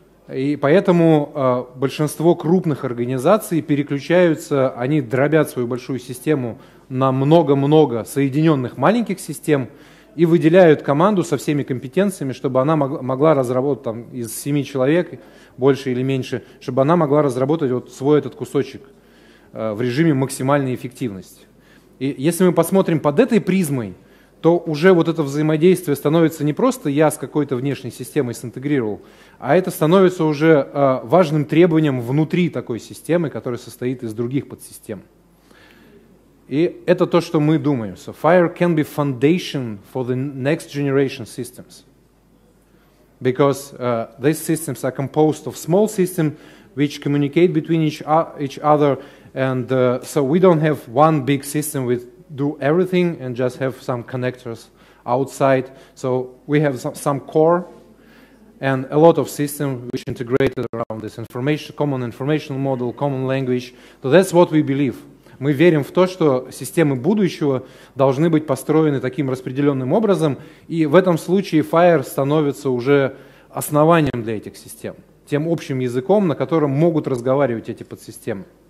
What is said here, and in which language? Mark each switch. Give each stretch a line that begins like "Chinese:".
Russian: И поэтому большинство крупных организаций переключаются, они дробят свою большую систему на много-много соединенных маленьких систем и выделяют команду со всеми компетенциями, чтобы она могла разработать там, из 7 человек, больше или меньше, чтобы она могла разработать вот свой этот кусочек в режиме максимальной эффективности. И если мы посмотрим под этой призмой, то уже вот это взаимодействие становится не просто я с какой-то внешней системой синтегрировал, а это становится уже важным требованием внутри такой системы, которая состоит из других подсистем. И это то, что мы думаем.
English: So fire can be foundation for the next generation systems. Because these systems are composed of small systems, which communicate between each other. And so we don't have one big system with do everything and just have some connectors outside. So we have some core and a lot of systems which integrated around this information, common informational model, common language. So that's what we believe.
Russian: Мы верим в то, что системы будущего должны быть построены таким распределенным образом, и в этом случае FHIR становится уже основанием для этих систем, тем общим языком, на котором могут разговаривать эти подсистемы.